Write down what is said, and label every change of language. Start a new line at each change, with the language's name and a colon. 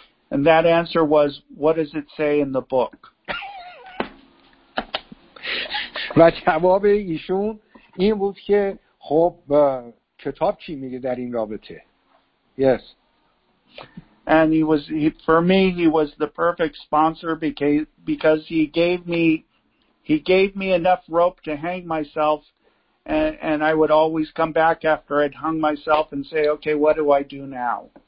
English: And that answer was, what does it say in the book?
Persian: و جواب ایشون این بود که خب کتاب چی میگه در این رابطه.
English: Yes. And he was the perfect sponsor because he gave me enough rope to hang myself, and I would always come back after I'd hung myself and say, okay, what do I do now?